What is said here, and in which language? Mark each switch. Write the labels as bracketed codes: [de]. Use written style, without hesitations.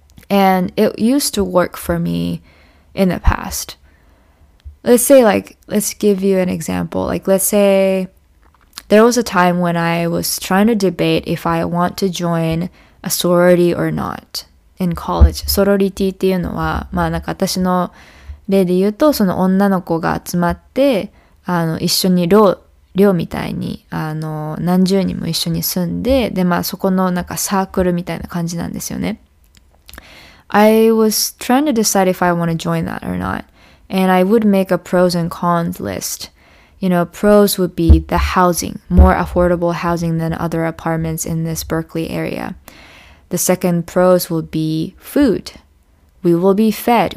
[en] And it used to work for me in the past. Let's say, like, let's give you an example. Like, let's say there was a time when I was trying to debate if I want to join a sorority or not. In college. [ja] ソロリティっていうのは、まあ、なんか私の例で言うと、その女の子が集まって、一緒に寮みたいに、何十人も一緒に住んで、で、まあ、そこのなんかサークルみたいな感じなんですよね。 [en] I was trying to decide if I want to join that or not. And I would make a pros and cons list. You know, pros would be the housing, more affordable housing than other apartments in this Berkeley area. The second pros will be food. We will be fed.